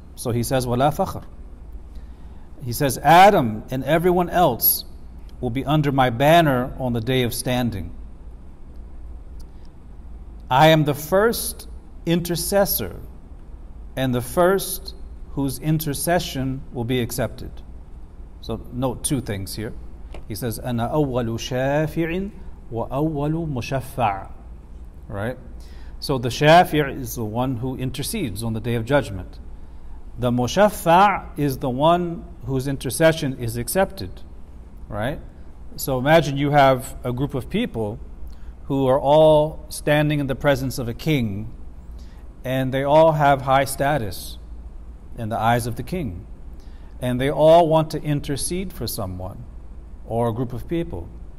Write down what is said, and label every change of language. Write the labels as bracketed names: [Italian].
[English] So he says, [Arabic] وَلَا فَخْر. [English] He says, Adam and everyone else will be under my banner on the day of standing. I am the first intercessor and the first whose intercession will be accepted. So note two things here. He says, [Arabic] أنا أول شافع وأول مشفع. [English] Right? So the shafi' is the one who intercedes on the day of judgment. The mushaffa' is the one whose intercession is accepted, right? So imagine you have a group of people who are all standing in the presence of a king, and they all have high status in the eyes of the king, and they all want to intercede for someone or a group of people.